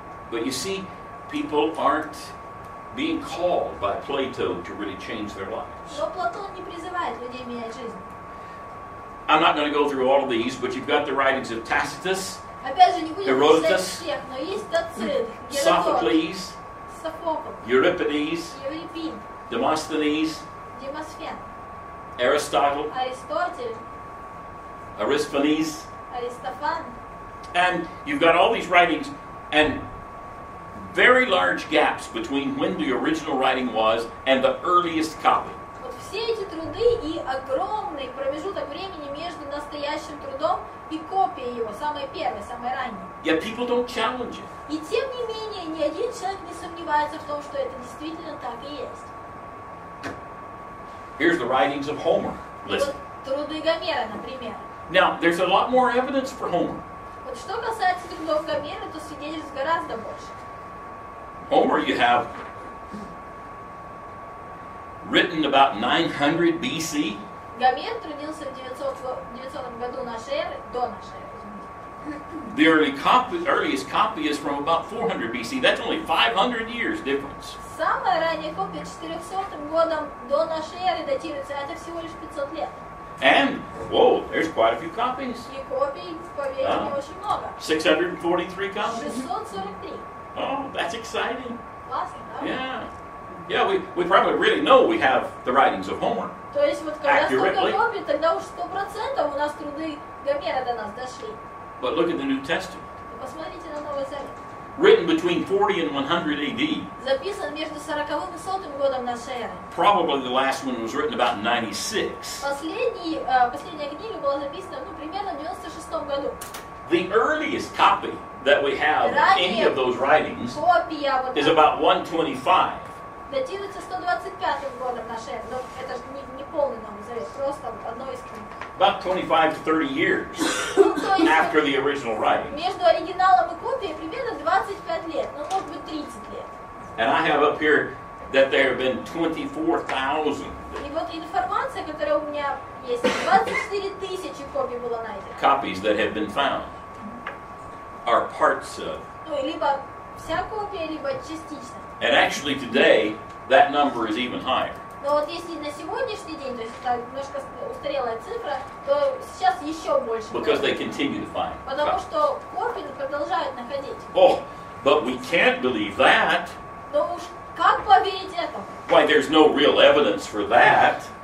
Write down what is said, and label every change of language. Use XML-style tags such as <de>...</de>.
<en>But you see, people aren't being called by Plato to really change their lives.</en> <ru>Но Платон не призывает людей менять жизнь.</ru> <en>I'm not going to go through all of these, but you've got the writings of Tacitus,</en> <ru>опять же, не будем Herodotus, писать всех, но есть Тацит,</ru> <en>Sophocles,</en> <ru>Sophocles,</ru> <en>Euripides,</en> <ru>Euripid,</ru> <en>Demosthenes,</en> <ru>Demosthen,</ru> <en>Aristotle,</en> <ru>Aristotle,</ru> <en>Aristophanes,</en> <ru>Aristophan.</ru> <en>And you've got all these writings and very large gaps between when the original writing was and the earliest copy.</en> <ru>Вот все эти труды и огромный промежуток времени между настоящим трудом и копией его, самой первой, самой ранней.</ru> <en>Yet people don't challenge it.</en> <ru>И тем не менее, ни один человек не сомневается в том, что это действительно так и есть.</ru> <en>Here's the writings of Homer. Listen.</en> <ru>Вот труды Гомера, например.</ru> <en>Now, there's a lot more evidence for Homer.</en> <ru>Вот что касается трудов Гомера, то свидетельств гораздо больше.</ru> <en>Homer, you have written about 900 BC.</en> <ru>Гомер трудился в 900 году нашей эры, до нашей эры.</ru> <en>The early earliest copy is from about 400 BC. That's only 500 years difference.</en> <ru>Самая ранняя копия 400 годом до нашей эры датируется, а это всего лишь 500 лет.</ru> <en>And, whoa, there's quite a few copies.</en> <ru>И копий, поверьте, не очень много.</ru> <en>643 copies.</en> <ru>643.</ru> <en>Oh, that's exciting.</en> <ru>Классно, да?</ru> <en>Yeah. Yeah, we probably really know we have the writings of Homer.</en> <ru>То есть вот когда столько копий, тогда уж 100% у нас труды Гомера до нас дошли.</ru> <en>But look at the New Testament.</en> <ru>Посмотрите на Новый Завет.</ru> <en>Written between 40 and 100 AD.</en> <ru>Записан между 40-м и 100-м годом нашей эры.</ru> <en>Probably the last one was written about 96.</en> <ru>Последняя книга была написана, ну, примерно в 96-м году.</ru> <en>The earliest copy that we have</en> <ru>ранее</ru> <en>any of those writings</en> <ru>копия, вот</ru> <en>is about 125.</en> <ru>Датируется 125-м годом нашей эры. Но это же не полный Новый Завет, просто одно из книг.</ru> <en>About 25 to 30 years after the original writing.</en> <ru>Между оригиналом и копией примерно 25 лет, но может быть 30 лет.</ru> <en>And I have up here that there have been 24,000.</en> <ru>И вот информация, которая у меня есть, 24,000 копий было найдено.</ru> <en>Copies that have been found are parts of.</en> <ru>Ну либо вся копия, либо частично.</ru> <en>And actually today that number is even higher.</en> <ru>Но вот если на сегодняшний день, то есть это немножко устарелая цифра, то сейчас еще больше.</ru> <en>Because they continue to find.</en> <ru>Потому что Корфин продолжает находить.</ru> <en>Oh, but we can't believe that.</en> <ru>Но уж как поверить этому?</ru> <en>Why, there's no real evidence for that.</en>